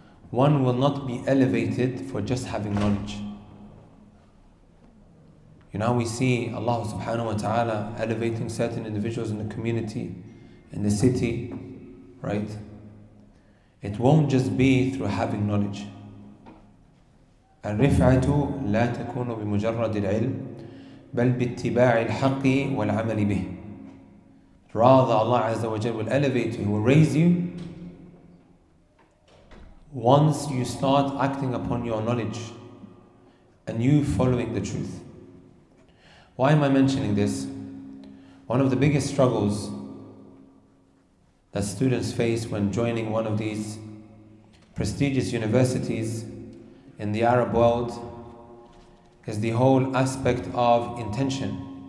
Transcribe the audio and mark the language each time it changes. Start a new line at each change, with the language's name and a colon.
English: One will not be elevated for just having knowledge. You know, we see Allah subhanahu wa ta'ala elevating certain individuals in the community, in the city, right? It won't just be through having knowledge.
Arabic: الرفعة لا تكون بمجرد العلم بل باتباع الحق والعمل به.
English: Rather, Allah Azza wa Jal will elevate you, will raise you, once you start acting upon your knowledge and you following the truth. Why am I mentioning this? One of the biggest struggles that students face when joining one of these prestigious universities in the Arab world is the whole aspect of intention.